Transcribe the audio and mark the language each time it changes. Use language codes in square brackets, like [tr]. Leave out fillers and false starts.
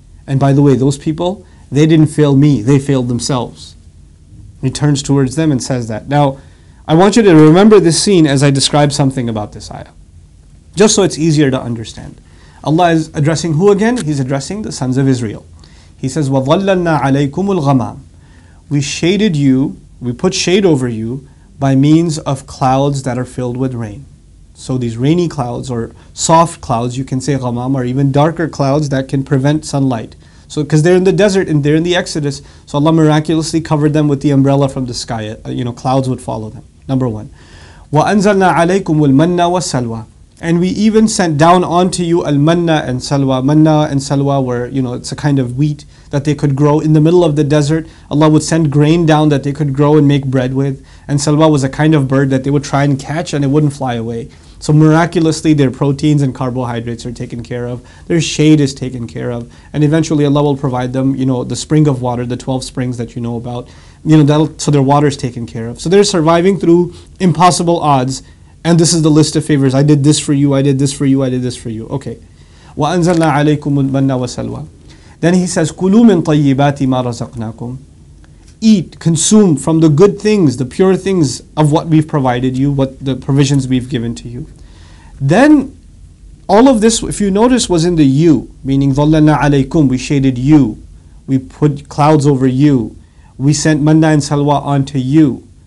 [en] And by the way, those people, they didn't fail me, they failed themselves. He turns towards them and says that. Now, I want you to remember this scene as I describe something about this ayah, just so it's easier to understand. Allah is addressing who again? He's addressing the sons of Israel. [ar] He says, وَظَلَّلْنَا عَلَيْكُمُ الْغَمَامِ. [en] We shaded you, we put shade over you by means of clouds that are filled with rain. So these rainy clouds or soft clouds, you can say غَمَام, or even darker clouds that can prevent sunlight. So, because they're in the desert and they're in the Exodus, so Allah miraculously covered them with the umbrella from the sky. You know, clouds would follow them. [ar] Number one. وَأَنزَلْنَا عَلَيْكُمُ الْمَنَّ وَالسَّلْوَى. [en] And we even sent down onto you al-manna and salwa. Manna and salwa were, you know, it's a kind of wheat that they could grow in the middle of the desert. Allah would send grain down that they could grow and make bread with. And salwa was a kind of bird that they would try and catch and it wouldn't fly away. So miraculously, their proteins and carbohydrates are taken care of. Their shade is taken care of. And eventually Allah will provide them, you know, the spring of water, the 12 springs that you know about. You know, that'll, so their water is taken care of. So they're surviving through impossible odds. And this is the list of favors. I did this for you, I did this for you, I did this for you. [ar] Okay. وَأَنزَلْنَا عَلَيْكُمُ الْمَنَّ وَسَلْوَى. Then he says, كُلُوا مِن طَيِّبَاتِ مَا رَزَقْنَاكُمْ. [en] Eat, consume from the good things, the pure things of what we've provided you, what the provisions we've given to you. Then, all of this, if you notice, was in the you, meaning [ar] ظَلَّنَا عَلَيْكُمْ, [en] we shaded you, we put clouds over you, we sent manna and salwa onto you.